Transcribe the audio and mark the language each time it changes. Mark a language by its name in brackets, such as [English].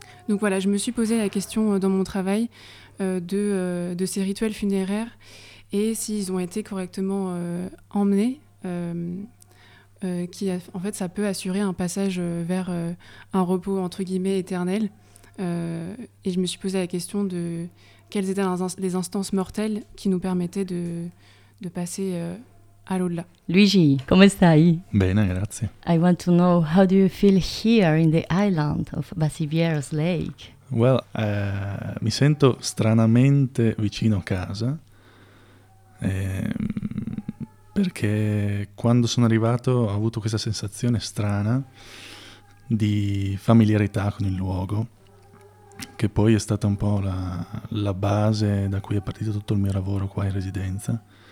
[French] Donc voilà, je me suis posé la question dans mon travail de ces rituels funéraires et s'ils ont été correctement emmenés, ça peut assurer un passage vers un repos entre guillemets éternel. Et je me suis posé la question de quelles étaient les instances mortelles qui nous permettaient de passer... [Italian] Alola. Luigi, come stai? Bene, grazie. [English] I want to know, how do you feel here in the island of Vassivière's Lake? [Italian] Well, mi sento stranamente vicino a casa, perché quando sono arrivato ho avuto questa sensazione strana di familiarità con il luogo, che poi è stata un po' la base da cui è partito tutto il mio lavoro qua in residenza.